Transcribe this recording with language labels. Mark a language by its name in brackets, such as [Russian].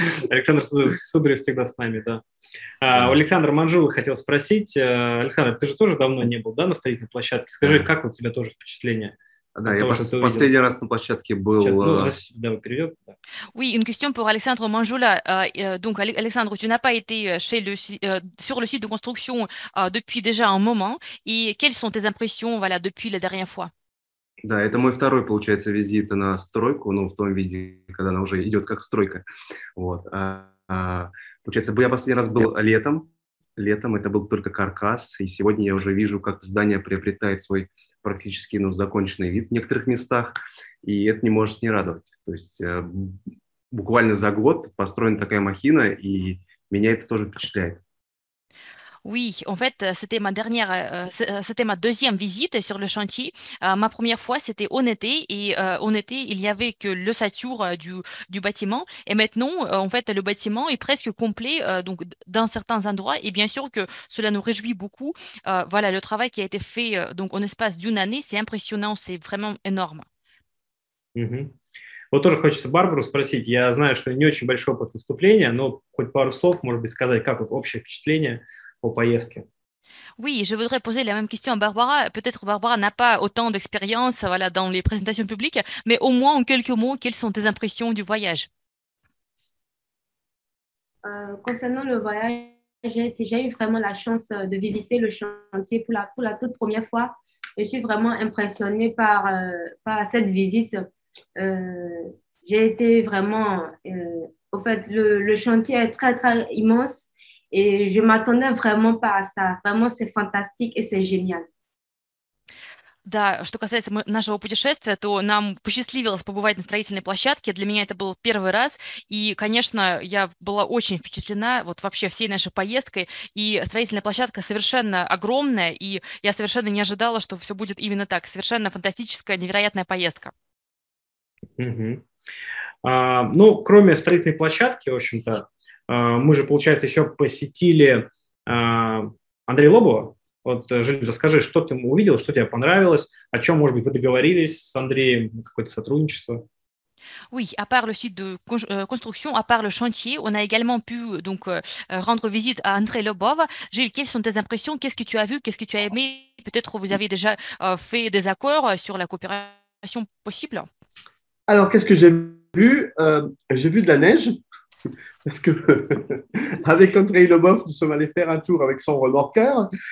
[Russian] Александр Сударев всегда с нами, да. Александр Манжул хотел спросить. Александр, ты же тоже давно не был, да, на строительной площадке? Скажи, как у тебя тоже впечатление Да, от я того, что ты увидел? последний раз на площадке был. Ну, раз тебя переведет, да. [French] Oui, une question pour Alexandre Manjoula. Donc, Alexandre, tu n'as pas été chez le, sur le site de construction depuis déjà un moment. Et quelles sont tes impressions, voilà, depuis la dernière fois? [Russian] Да, это мой второй, получается, визит на стройку, ну, в том виде, когда она уже идет как стройка. Вот. Получается, я последний раз был летом. Летом это был только каркас, и сегодня я уже вижу, как здание приобретает свой практически, ну, законченный вид в некоторых местах, и это не может не радовать. То есть буквально за год построена такая махина, и меня это тоже впечатляет. [French] Oui, en fait, c'était ma deuxième visite sur le chantier. Ma première fois, c'était en été, et en été, il n'y avait que l'ossature du bâtiment. Et maintenant, en fait, le bâtiment est presque complet, donc dans certains endroits. Et bien sûr que cela nous réjouit beaucoup. Voilà, le travail qui a été fait donc en espace d'une année, c'est impressionnant, c'est vraiment énorme. [Russian] Вот тоже хочется Барбару спросить. Я знаю, что не очень большой опыт выступления, но хоть пару слов, может быть, сказать, как вот общее впечатление о поездке. [French] Oui, je voudrais poser la même question à Barbara. Peut-être Barbara n'a pas autant d'expérience, voilà, dans les présentations publiques, mais au moins en quelques mots, quelles sont tes impressions du voyage? Concernant le voyage, j'ai eu vraiment la chance de visiter le chantier pour la toute première fois. Je suis vraiment impressionnée par cette visite. J'ai été vraiment, au fait, le chantier est très, très immense. Et je m'attendais vraiment pas à ça. Vraiment, c'est fantastique et c'est génial. [Russian] Да, что касается нашего путешествия, то нам посчастливилось побывать на строительной площадке. Для меня это был первый раз. И, конечно, я была очень впечатлена вот вообще всей нашей поездкой. И строительная площадка совершенно огромная. И я совершенно не ожидала, что все будет именно так. Совершенно фантастическая, невероятная поездка. Ну, кроме строительной площадки, в общем-то, мы же, получается, еще посетили Андрея Лобова. Вот, Жень, расскажи, что ты увидел, что тебе понравилось, о чем, может быть, вы договорились с Андреем, какое-то сотрудничество. [French] Oui, à part le site de construction, à part le chantier, on a également pu donc rendre visite à André Lobov. Gilles, quelles sont tes impressions? Qu'est-ce que tu as vu? Qu'est-ce que tu as aimé? Peut-être vous avez déjà fait des accords sur la coopération possible. Alors, qu'est-ce que j'ai vu? J'ai vu de la neige. Parce que avec André Lobov, nous sommes allés faire un tour avec son remorqueur.